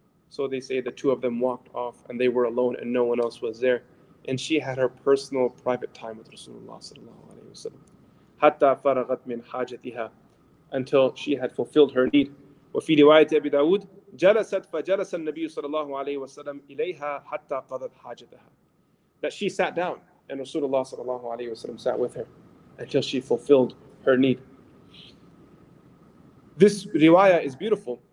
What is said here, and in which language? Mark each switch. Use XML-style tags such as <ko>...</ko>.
<en>So they say the two of them walked off and they were alone and no one else was there. And she had her personal private time with Rasulullah sallallahu alayhi wa sallam.</en> <ar>حَتَّى فَرَغَتْ مِنْ حَاجَتِهَا,</ar> <en>until she had fulfilled her need.</en> <ar>وَفِي رِوَايَةِ أَبِي دَاوُدْ جلست فجلس النبي صلى الله عليه وسلم إليها حتى قضت حاجتها.</ar> <en>That she sat down and Rasulullah صلى الله عليه وسلم sat with her until she fulfilled her need. This riwayah is beautiful.</en>